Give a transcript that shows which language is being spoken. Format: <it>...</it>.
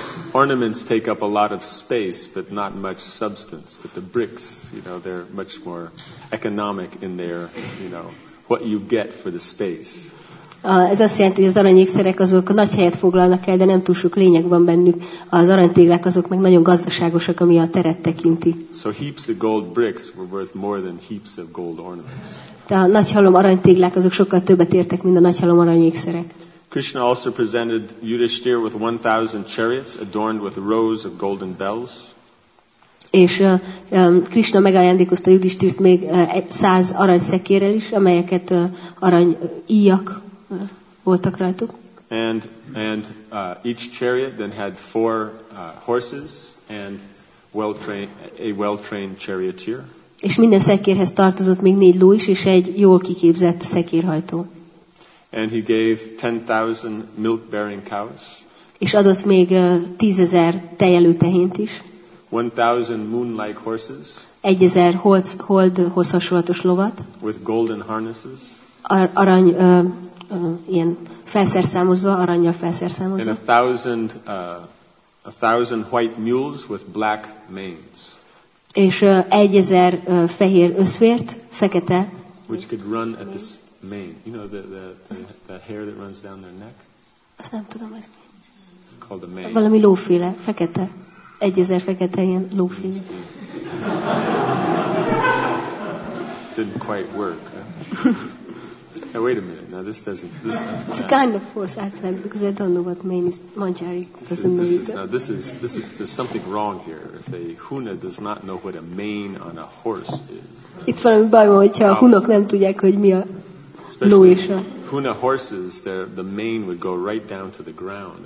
<en>Ornaments take up a lot of space, but not much substance. But the bricks, you know, they're much more economic in their, you know, what you get for the space.</en> <hu>Ez azt jelenti, hogy az aranyékszerek azok nagy helyet foglalnak el, de nem túl sok lényeg van bennük. Az aranytéglák azok meg nagyon gazdaságosak, ami a teret tekinti.</hu> <en>So heaps of gold bricks were worth more than heaps of gold ornaments.</en> <hu>De a nagy halom aranytéglák azok sokkal többet értek, mint a nagy halom aranyékszerek.</hu> <en>Krishna also presented Yudhishthir with 1,000 chariots adorned with rows of golden bells.</en> <hu>És Krishna megajándékozta Yudhishthirt még 100 aranyszekérrel is, amelyeket arany íjak voltak rajtuk.</hu> <en>And each chariot then had 4 horses and a well-trained charioteer.</en> <hu>És minden szekérhez tartozott még 4 ló is és egy jól kiképzett szekérhajtó.</hu> <en>And he gave 10,000 milk-bearing cows.</en> <hu>És adott még 10,000 tejelő tehént is.</hu> <en>1,000 moon-like horses.</en> <hu>1,000 holdhoz hasonlatos lovat.</hu> <en>With golden harnesses.</en> <hu>Arany ilyen felszerszámozva, aranyjal felszerszámozva.</hu> <en>And 1,000 white mules with black manes.</en> <hu>És 1,000 fehér összvért, fekete.</hu> <en>Which could run at this mane. You know the hair that runs down their neck?</en> <hu>Azt nem tudom, ez mi.</hu> <en>It's called a mane.</en> <hu>Valami lóféle, fekete. 1,000 fekete ilyen lóféle.</hu> <en>Didn't quite work. Hey, wait a minute. Now this doesn't. This, it's a kind of horse accent because I don't know what mane is. Manjari doesn't mean. This is. There's something wrong here. If a Huna does not know what a mane on a horse is.</en> <hu>It's valami baj van, hogyha a Hunok nem tudják, hogy mi a lóisa.</hu> <en>Huna horses, the mane would go right down to the ground.</en>